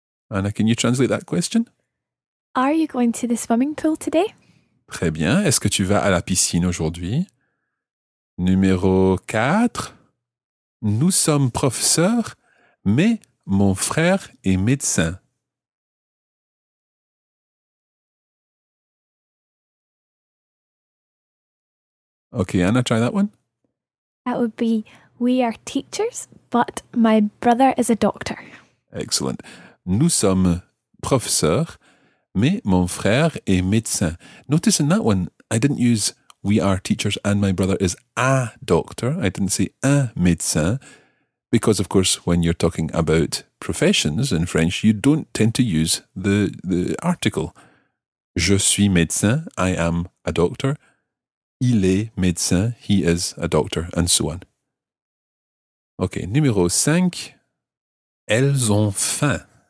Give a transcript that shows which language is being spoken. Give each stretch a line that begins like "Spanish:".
English: Anna, can you translate that question? Are you going to the swimming pool today?
French: Très bien. Est-ce que tu vas à la piscine aujourd'hui? Numéro 4. Nous sommes professeurs, mais mon frère est médecin.
English: OK, Anna, try that one. That would be, we are teachers, but my brother is a doctor. Excellent.
French: Nous sommes professeurs, mais mon frère est médecin.
English: Notice in that one, I didn't use we are teachers and my brother is a doctor. I didn't say
French: un médecin.
English: Because, of course, when you're talking about professions in French, you don't tend to use the article.
French: Je suis médecin,
English: I am a doctor.
French: Il est médecin,
English: he is a doctor, and so on.
French: OK, numéro 5. Elles ont faim.